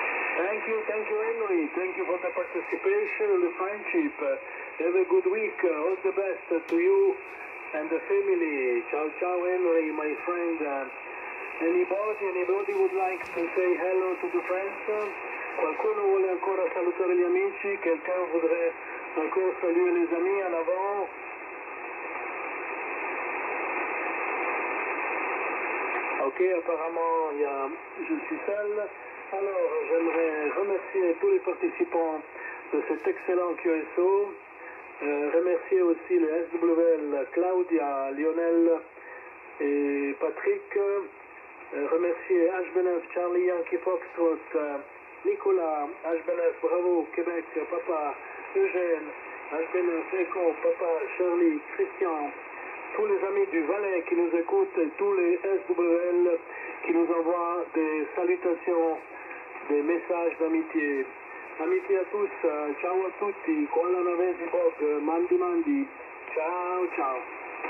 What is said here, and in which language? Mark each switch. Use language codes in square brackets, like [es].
[en] Thank you for the participation and the friendship. Have a good week. All the best to you and the family. Ciao, Henry, my friend. Anybody would like to say hello to the friends? [it] Qualcuno vuole ancora salutare gli amici? Qualcuno vorrei ancora salutare [fr] les amis en avant? Ok, apparemment, je suis seul. Alors, j'aimerais remercier tous les participants de cet excellent QSO, remercier aussi le SWL, Claudia, Lionel et Patrick, remercier HBNF, Charlie, Yankee, Foxtrot, Nicolas, HBNF, bravo, Québec, Papa, Eugène, HBNF, Echo, Papa, Charlie, Christian, tous les amis du Valais qui nous écoutent et tous les SWL qui nous envoient des salutations. Des messages d'amitié. Amitié à tous, [it] ciao a tutti, con la nave di Bob, mandi. Ciao.